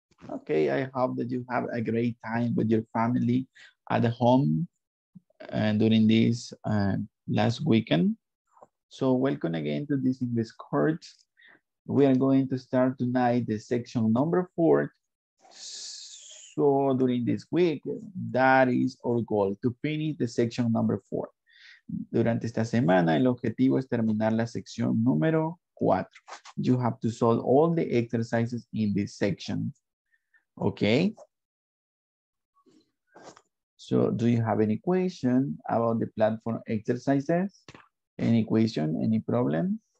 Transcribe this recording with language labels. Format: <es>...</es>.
<en>Okay, I hope that you have a great time with your family at home during this last weekend. So welcome again to this English course. We are going to start tonight the section number 4. So during this week, that is our goal, to finish the section number 4.</en> <es>Durante esta semana, el objetivo es terminar la sección número 4.</es> <en>You have to solve all the exercises in this section. Okay? So do you have any question about the platform exercises? Any question, any problem?</en>